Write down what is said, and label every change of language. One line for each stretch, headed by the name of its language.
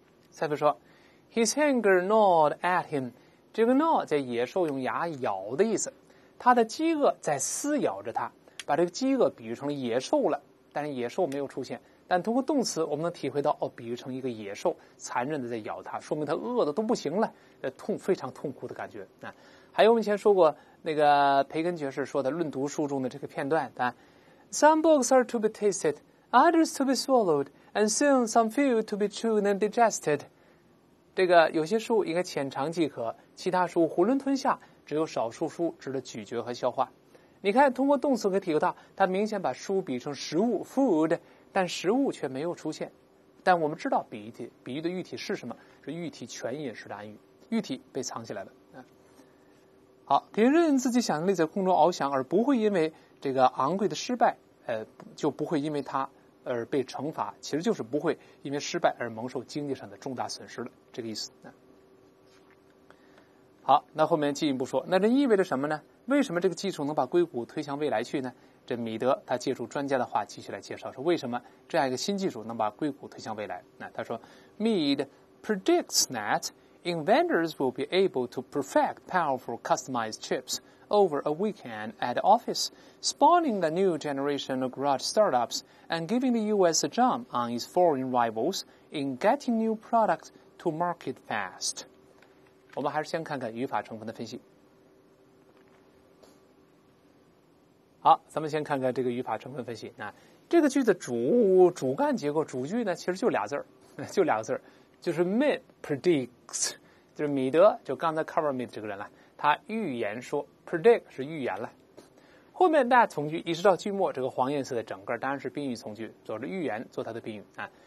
Chinese: 蔡飞说
English: His anger gnawed at him，
Chinese: 这个 gnaw 在野兽用牙咬的意思，他的饥饿在撕咬着他，把这个饥饿比喻成了野兽了，但是野兽没有出现，但通过动词我们能体会到，哦，比喻成一个野兽残忍的在咬他，说明他饿的都不行了，非常痛苦的感觉。那还有我们以前说过那个培根爵士说的论读书中的这个片段，但
English: Some books are to be tasted, others to be swallowed, and soon some few to be chewed and digested。
Chinese: 这个有些书应该浅尝即可，其他书囫囵吞下，只有少数书值得咀嚼和消化。你看，通过动词可以体会到，他明显把书比成食物 food， 但食物却没有出现。但我们知道比喻的喻体是什么，是喻体全隐式的暗喻，喻体被藏起来了。好，别人自己想象力在空中翱翔，而不会因为这个昂贵的失败，就不会因为他而被惩罚，其实就是不会因为失败而蒙受经济上的重大损失了，这个意思。好，那后面进一步说，那这意味着什么呢？为什么这个技术能把硅谷推向未来去呢？这米德他借助专家的话继续来介绍，说为什么这样一个新技术能把硅谷推向未来。那他说
English: Mead predicts thatInventors will be able to perfect powerful customized chips over a weekend at the office, spawning a new generation of garage startups and giving the U.S. a jump on its foreign rivals in getting new products to market fast.
Chinese: 我们还是先看看语法成分的分析。好，咱们先看看这个语法成分分析。那这个句子主干结构主句呢，其实就俩字儿。就是
English: Mead predicts，
Chinese: 就是米德，就刚才 cover Mead 这个人了，他预言说 predict 是预言了，后面大家从句一直到句末这个黄颜色的整个当然是宾语从句，做着预言做他的宾语啊。